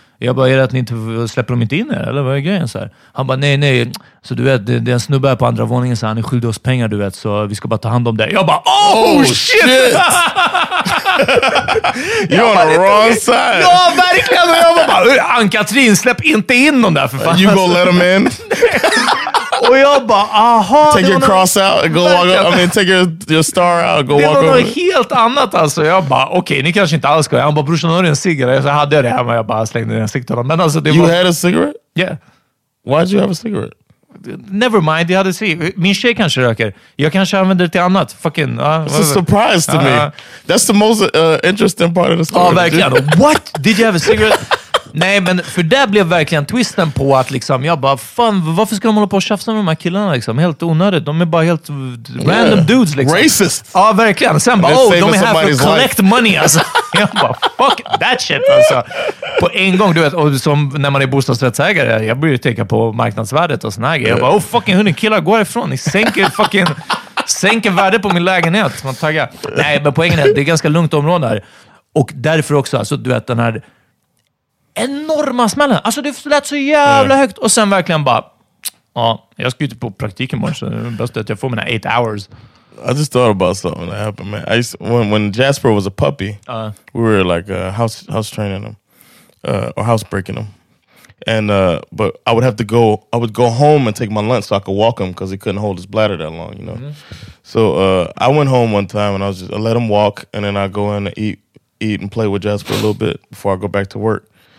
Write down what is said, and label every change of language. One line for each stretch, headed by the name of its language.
Swedish: Jag bara, är det att ni inte släpper dem inte in här, eller vad är grejen så här? Han bara, nej, nej, så du vet, det är en snubbe här på andra våningen så här, han är skyldig oss pengar, du vet, så vi ska bara ta hand om det. Jag bara,
English: oh shit! You're on the wrong side.
Swedish: Ja, verkligen, och jag bara, Ann-Katrin, släpp inte in dem där, för fan.
English: You gonna let them in?
Swedish: Och jag bara, aha.
English: Take your cross out and go walk over. I mean, take your star out and go walk over.
Swedish: Det var helt annat alltså. Jag bara, okej, ni kanske inte alls ska. Han bara, brorsan, har du en cigarett? Så hade jag det här, men jag bara slängde den i sikt. Men alltså, det
English: you had a cigarette? Yeah. Why did you have a cigarette? Never mind,
Swedish: jag hade se. Min tjej kanske röker. Jag kanske använder det till annat.
English: Fucking. It's a surprise to me. That's the most interesting part of the story.
Swedish: Ja, verkligen.
English: What? Did you have a cigarette?
Swedish: Nej, men för det blev verkligen twisten på att liksom, jag bara, fan, varför ska de hålla på och tjafsa med de här killarna liksom? Helt onödigt. De är bara helt random dudes liksom.
English: Racist.
Swedish: Ja, verkligen. Sen bara, de är här för att
English: collect money
Swedish: alltså. Jag bara,
English: fuck that shit
Swedish: alltså. På en gång, du vet, och som när man är bostadsrättsägare, jag börjar ju tänka på marknadsvärdet och sån här grejer. Jag bara, oh fucking, hur ni killar går ifrån? Ni sänker fucking, sänker värdet på min lägenhet. Man taggar. Nej, men poängen är, det är ganska lugnt område här. Och därför också, alltså, du vet, den här enorma smällen. Alltså det lät så jävla högt. Och sen verkligen bara, ja, jag ska ju inte på praktik imorgon, så det är bäst att jag får mina
English: 8 hours. I just thought about something that happened, man. I used to, when Jasper was a puppy, we were like house training him, or house breaking him. And but I would have to go, I would go home and take my lunch so I could walk him, because he couldn't hold his bladder that long, you know. Mm-hmm. So I went home one time and I was just, I let him walk, and then I go in and eat and play with Jasper a little bit before I go back to work.